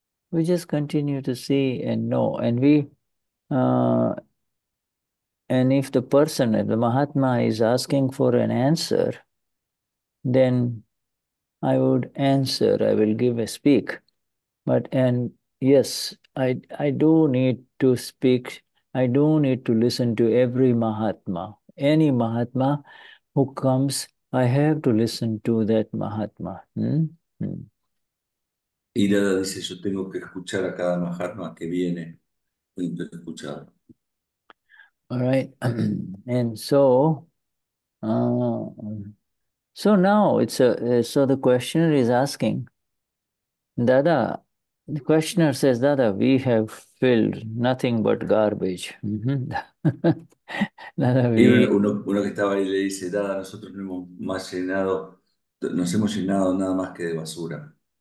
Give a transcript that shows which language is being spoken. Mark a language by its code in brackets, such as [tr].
[en] We just continue to see and know, and we. And if the person, if the Mahatma, is asking for an answer, then I would answer. I will give a speak, but and. Yes, I do need to speak. I do need to listen to every Mahatma. Any Mahatma who comes, I have to listen to that Mahatma. [es] Y Dada dice, yo tengo que escuchar a cada Mahatma que viene. Tengo que escuchar. [en] All right. And so, so now it's a, so the questioner is asking, Dada, the questioner says, Dada, we have filled nothing but garbage. Dada, we... [es] Y uno que estaba ahí le dice, Dada, nosotros no hemos más llenado, nos hemos llenado nada más que de basura.